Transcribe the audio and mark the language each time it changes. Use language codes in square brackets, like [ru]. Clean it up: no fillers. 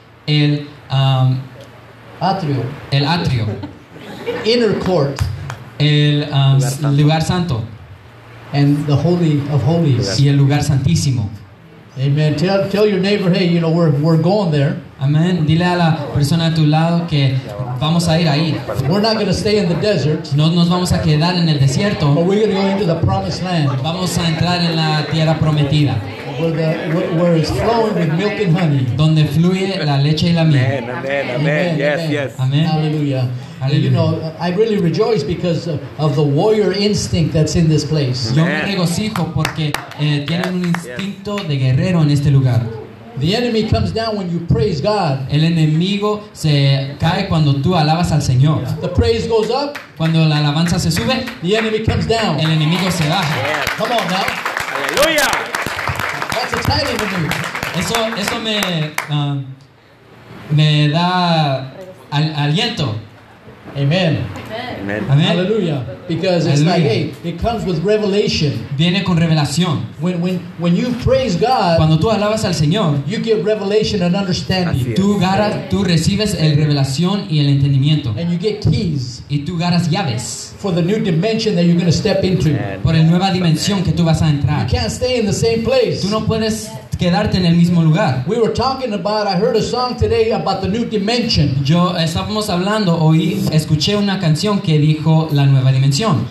[es] El atrio. El atrio. [en] Inner court. [es] El lugar santo. [en] And the holy of holies. [es] Y el lugar santísimo. [en] Amen. Tell your neighbor, hey, you know, we're going there. Amen. [es] Dile a la persona a tu lado que vamos a ir ahí. [en] We're not going to stay in the desert. [es] No nos vamos a quedar en el desierto. [en] But we're going to go into the promised land. [es] Vamos a entrar en la tierra prometida. [en] Where it's flowing with milk and honey. [es] Donde fluye la leche y la miel. [en] Amen. Amen. Amen. Amen. Yes. Amen. Yes. Amen. Hallelujah. Hallelujah. You know, I really rejoice because of the warrior instinct that's in this place. [es] Yo me regocijo porque tienen un instinto de guerrero en este lugar. [en] The enemy comes down when you praise God. [es] El enemigo se cae cuando tú alabas al Señor. [en] The praise goes up. [es] Cuando la alabanza se sube. [en] The enemy comes down. [es] El enemigo se baja. [en] Yes. Come on now. Hallelujah. That's exciting to me. [es] Eso me me da aliento. [en] Amen. Amen. Amen. Hallelujah. Because it's Hallelujah. Like, hey, it comes with revelation. [es] Viene con revelación. [en] When you praise God, [es] cuando tú alabas al Señor, [en] you get revelation and understanding. [es] Tú ganas, tú recibes el revelación y el entendimiento. [en] And you get keys. [es] Y tú ganas llaves. [en] For the new dimension that you're going to step into. Amen. [es] Por la nueva dimensión que tú vas a entrar. [en] You can't stay in the same place. [es] Tú no puedes quedarte en el mismo lugar. [en] We were talking about, I heard a song today about the new dimension. [es] Yo estábamos hablando hoy, escuché una canción que dijo la nueva dimensión.